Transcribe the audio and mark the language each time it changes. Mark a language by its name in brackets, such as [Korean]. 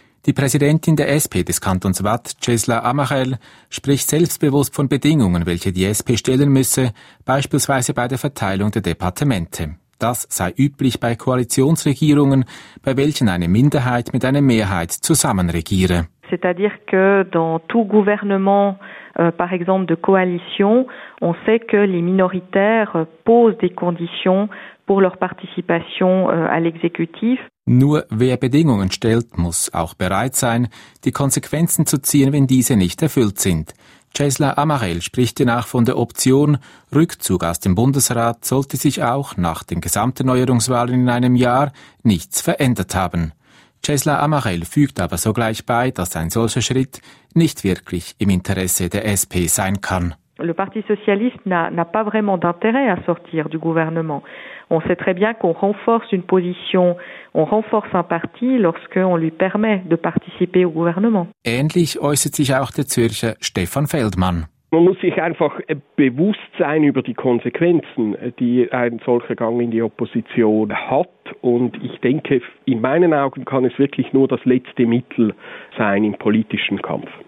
[German] Die Präsidentin der SP des Kantons Waadt, Cesla Amachel, spricht selbstbewusst von Bedingungen, welche die SP stellen müsse, beispielsweise bei der Verteilung der Departemente. Das sei üblich bei Koalitionsregierungen, bei welchen eine Minderheit mit einer Mehrheit zusammenregiere. [French] C'est-à-dire que dans tout gouvernement, par exemple de coalition, on sait que les minoritaires posent des conditions pour leur participation à l'exécutif. [German] Nur wer Bedingungen stellt, muss auch bereit sein, die Konsequenzen zu ziehen, wenn diese nicht erfüllt sind. Cesla Amachel spricht danach von der Option, Rückzug aus dem Bundesrat sollte sich auch nach den Gesamterneuerungswahlen in einem Jahr nichts verändert haben. Cesla Amachel fügt aber sogleich bei, dass ein solcher Schritt nicht wirklich im Interesse der SP sein kann. [French] Le Parti Socialiste n'a pas vraiment d'intérêt à sortir du gouvernement. On sait très bien qu'on renforce une position, on renforce un parti lorsqu'on lui permet de participer au gouvernement. [German] Ähnlich äußert sich auch der Zürcher Stefan Feldmann. Man muss sich einfach bewusst sein über die Konsequenzen, die ein solcher Gang in die Opposition hat. Und ich denke, in meinen Augen kann es wirklich nur das letzte Mittel sein im politischen Kampf.